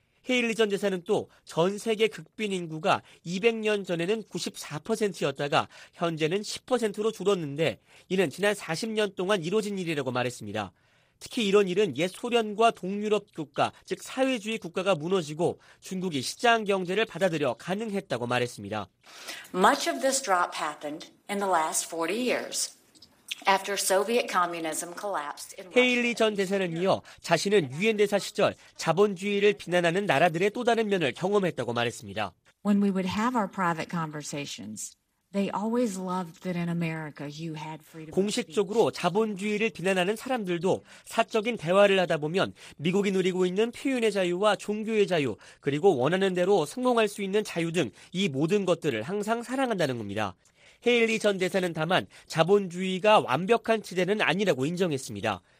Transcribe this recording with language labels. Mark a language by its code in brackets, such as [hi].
[ko] 헤일리 전 대사는 또 전 세계 극빈 인구가 200년 전에는 94%였다가 현재는 10%로 줄었는데 이는 지난 40년 동안 이루어진 일이라고 말했습니다. 특히 이런 일은 옛 소련과 동유럽 국가, 즉 사회주의 국가가 무너지고 중국이 시장 경제를 받아들여 가능했다고 말했습니다. [en] Much of this drop happened in the last 40 years. After Soviet communism collapsed in [ko] 헤일리 전 대사는 이어 자신은 유엔 대사 시절 자본주의를 비난하는 나라들의 또 다른 면을 경험했다고 말했습니다. [en] When we would have our private conversations, they always loved that in America you had freedom. [ko] 공식적으로 자본주의를 비난하는 사람들도 사적인 대화를 하다 보면 미국이 누리고 있는 표현의 자유와 종교의 자유, 그리고 원하는 대로 성공할 수 있는 자유 등 이 모든 것들을 항상 사랑한다는 겁니다. 헤일리 전 대사는 다만 자본주의가 완벽한 체제는 아니라고 인정했습니다.